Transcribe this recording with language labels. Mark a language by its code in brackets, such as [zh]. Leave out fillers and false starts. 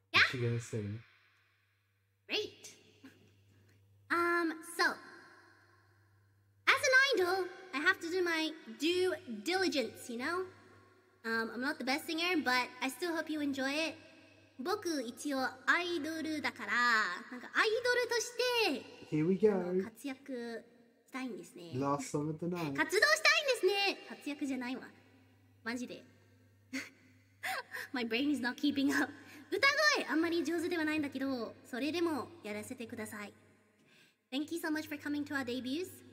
[en] She's gonna sing. Great. So as an idol, I have to do my due diligence, you know? I'm not the best singer, but I still hope you enjoy it. [ja] 僕一応アイドルだから なんかアイドルとして [en] Here we go. [ja] 活躍したいんですね [en] Last song of the night. [ja] 活動したいんですね 活躍じゃないわ マジで [en] My brain is not keeping up. [ja] 歌声あんまり上手ではないんだけど、それでもやらせてください。 [en] Thank you so much for coming to our debuts.